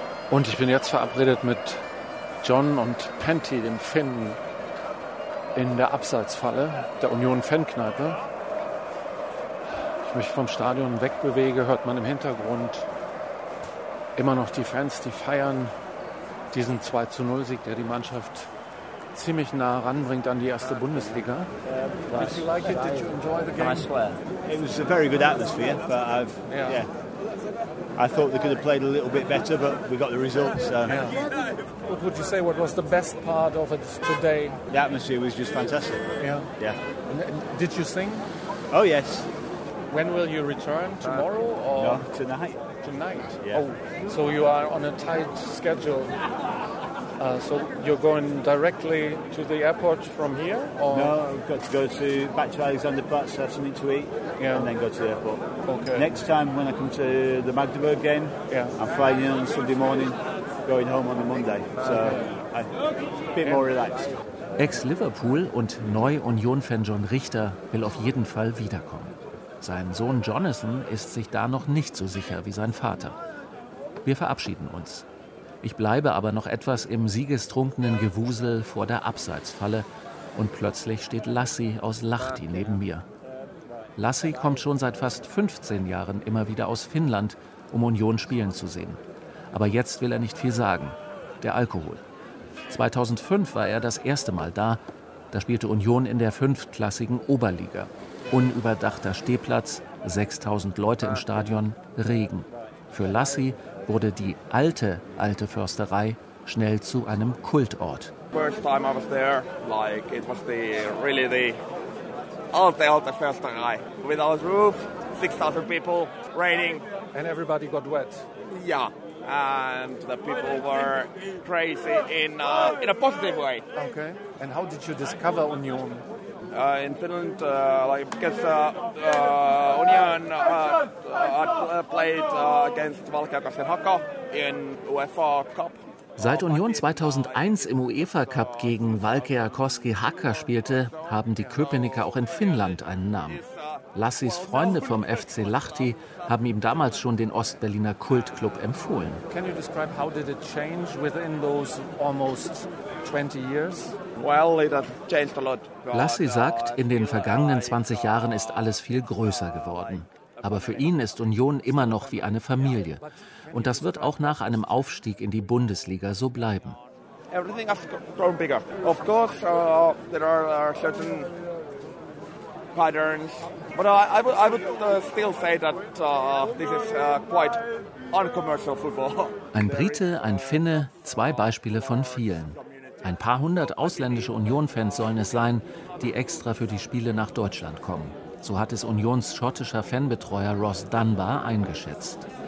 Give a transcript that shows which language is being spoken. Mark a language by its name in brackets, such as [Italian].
[German] Und ich bin jetzt verabredet mit John und Penty, dem Finnen, in der Abseitsfalle der Union-Fankneipe. Ich mich vom Stadion wegbewege, hört man im Hintergrund immer noch die Fans, die feiern diesen 2-0-Sieg, der die Mannschaft ziemlich nah ranbringt an die erste Bundesliga. [English] Did you like it? Did you enjoy the game? I swear. It was a very good atmosphere, but I thought they could have played a little bit better, but we got the results. So. Yeah. What would you say? What was the best part of it today? The atmosphere was just fantastic. Yeah. Yeah. Did you sing? Oh yes. When will you return? Tomorrow or no, tonight? Tonight. Yeah. Oh, so you are on a tight schedule. So you're going directly to the airport from here? Or? No, I've got to go to back to Alexanderplatz, have something to eat, and then go to the airport. Okay. Next time when I come to the Magdeburg game, I'm flying in on Sunday morning, going home on the Monday. So I'm a bit more relaxed. [German] Ex-Liverpool und Neu-Union-Fan John Richter will auf jeden Fall wiederkommen. Sein Sohn Jonathan ist sich da noch nicht so sicher wie sein Vater. Wir verabschieden uns. Ich bleibe aber noch etwas im siegestrunkenen Gewusel vor der Abseitsfalle und plötzlich steht Lassi aus Lahti neben mir. Lassi kommt schon seit fast 15 Jahren immer wieder aus Finnland, um Union spielen zu sehen. Aber jetzt will er nicht viel sagen. Der Alkohol. 2005 war er das erste Mal da. Da spielte Union in der fünftklassigen Oberliga. Unüberdachter Stehplatz, 6000 Leute im Stadion, Regen. Für Lassi wurde die alte, alte Försterei schnell zu einem Kultort. [English] First time I was there, like it was the really the alte, alte Försterei. Without roof, 6000 people, raining. And everybody got wet. Yeah, and the people were crazy in a positive way. Okay, and how did you discover Union? In Finland, Union played against Valkeakosken Haka in UEFA Cup. [German] Seit Union 2001 im UEFA Cup gegen Valkeakoski Haka spielte, haben die Köpenicker auch in Finnland einen Namen. Lassis Freunde vom FC Lahti haben ihm damals schon den Ostberliner Kultclub empfohlen. [English] Can you describe how did it change within those almost 20 years? Well, it has changed a lot. [German] Lassi sagt, in den vergangenen 20 Jahren ist alles viel größer geworden. Aber für ihn ist Union immer noch wie eine Familie. Und das wird auch nach einem Aufstieg in die Bundesliga so bleiben. [English] Everything has grown bigger. Of course, there are certain patterns. But I would still say that this is quite uncommercial football. [German] Ein Brite, ein Finne, zwei Beispiele von vielen. Ein paar hundert ausländische Union-Fans sollen es sein, die extra für die Spiele nach Deutschland kommen. So hat es Unions schottischer Fanbetreuer Ross Dunbar eingeschätzt.